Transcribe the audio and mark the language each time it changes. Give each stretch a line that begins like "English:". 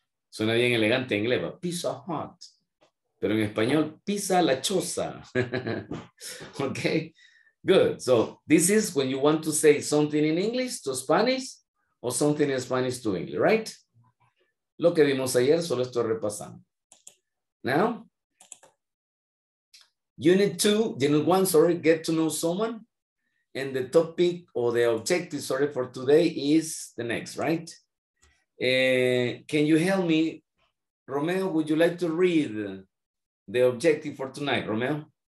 Spanish: Suena bien elegante en inglés,
English: but Pizza Hut.
Spanish: Pero en español, pizza la choza.
English: Okay, good. So this is when you want to say something in English to Spanish, or something in Spanish to English, right?
Spanish: Lo que vimos ayer, solo estoy repasando. Now,
English: Unit two, unit one, sorry, get to know someone. And the topic or the objective, sorry, for today is the next, right? Can you help me? Romeo, would you like to read the objective for tonight, Romeo?